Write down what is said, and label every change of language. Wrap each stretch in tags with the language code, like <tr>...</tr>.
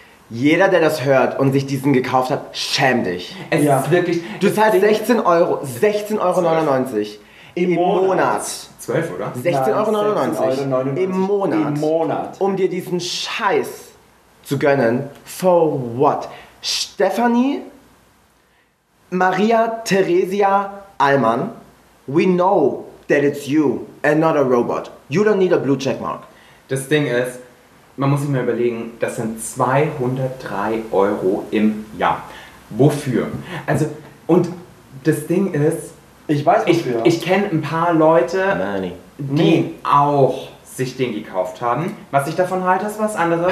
<de>Jeder, der das hört und sich diesen gekauft hat, schäm dich. Es ja. ist wirklich... Du zahlst 16 Euro, 16,99 Euro im Monat. 12, oder? 16,99 Euro im Monat, um dir diesen Scheiß zu gönnen.</de> <en>For what? Stephanie, Maria Theresia Allmann, we know that it's you and not a robot. You don't need a blue checkmark.</en> <de>Das Ding ist, man muss sich mal überlegen, das sind 203 Euro im Jahr. Wofür? Also, und das Ding ist... Ich weiß wofür. Ich kenne ein paar Leute, Nani. Die nee. Auch sich den gekauft haben. Was ich davon halte, ist was anderes.</de>